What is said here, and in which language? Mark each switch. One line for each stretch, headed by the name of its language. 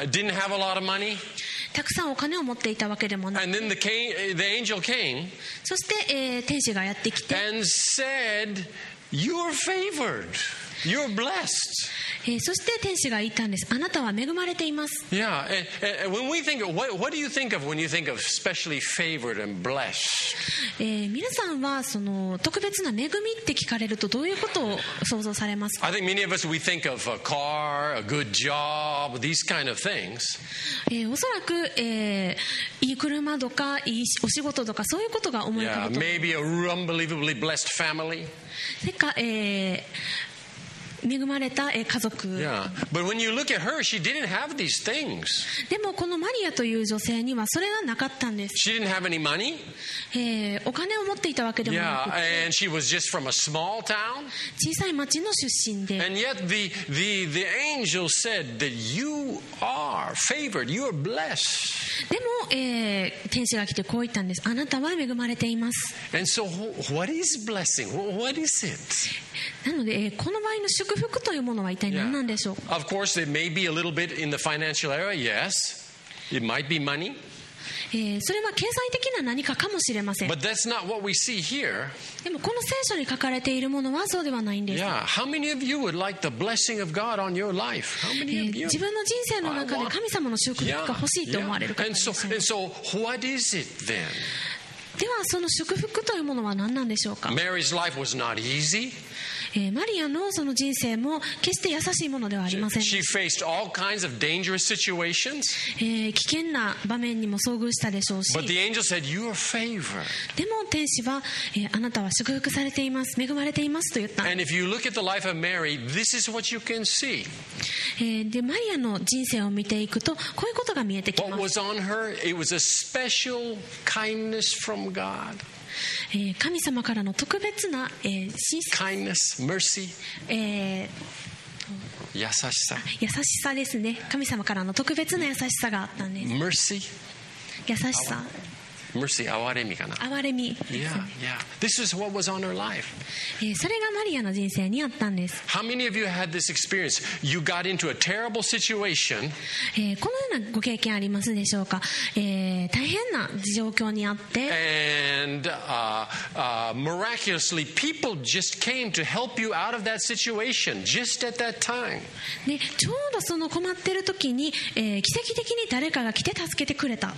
English: Yeah. Didn't have a lot of money.
Japanese: たくさんお金を持っていたわけでもない。
English: And then the angel came.
Japanese: そして、天使がやってきて、
English: and said, "You're favored." You're blessed.
Japanese: そして天使が言ったんです。あなたは恵まれています。
English: Yeah. When we think of, what do you think of when you think of specially favored and blessed?
Japanese: 皆さんはその特別な恵みって聞かれるとどういうことを想像されますか?
English: I think many of us we think of a car, a good job, these kind of things.
Japanese: おそらく、いい車とかいいお仕事とかそういうことが思い浮かぶと。
English: Yeah. Maybe a unbelievably blessed family.
Japanese: てか、恵まれた家族。
English: Yeah. But when you look at her, she didn't have these things.
Japanese: でもこのマリアという女性にはそれはなかったんです。
English: She didn't have any money.
Japanese: お金を持っていたわけでもなくて。
English: Yeah. And she was just from a small town.
Japanese: 小さい町の出身で。
English: And yet the angel said that you are favored. You are blessed.
Japanese: でも、天使が来てこう言ったんです。あなたは恵まれています。
English: And so what is blessing? What is it?
Japanese: なので、この場合の祝福というものは一体何なんでしょう。
English: Of course, it may be a little bit in the financial area, yes. It might be money.
Japanese: それは経済的な何かかもしれません。
English: But that's not what we see here.
Japanese: でもこの聖書に書かれているものはそうではないんです。
English: Yeah. How many of you would like the blessing of God on your life? How many of you?
Japanese: 自分の人生の中で神様の祝福が欲しいと思われる方です
English: ね。And so what is it then?
Japanese: ではその祝福というものは何なんでしょうか。
English: Mary's life was not easy.
Japanese: マリアのその人生も決して優しいものではありません。
English: She faced all kinds of dangerous situations.
Japanese: 危険な場面にも遭遇したでしょうし。
English: But the angel said, "You are favored."
Japanese: でも天使は、あなたは祝福されています、恵まれていますと言った。
English: And if you look at the life of Mary, this is what you can see.
Japanese: でマリアの人生を見ていくとこういうことが見えてきます。
English: What was on her? It was a special kindness from God.
Japanese: 神様からの特別な、
English: Kindness, mercy.
Japanese: 優しさ。優しさですね。神様からの特別な優しさがあったんです。
English: Mercy.
Japanese: 優しさ。
English: Mercy,
Japanese: 憐れみかな。憐れみ。
English: Yeah, yeah. This is what was on her life.
Japanese: それがマリアの人生にあったんです。
English: How many of you had this experience? You got into a terrible situation.
Japanese: このようなご経験ありますでしょうか。大変な状況にあって。
English: And miraculously, people just came to help you out of that situation just at that time.
Japanese: で、ちょうどその困ってる時に、奇跡的に誰かが来て助けてくれた。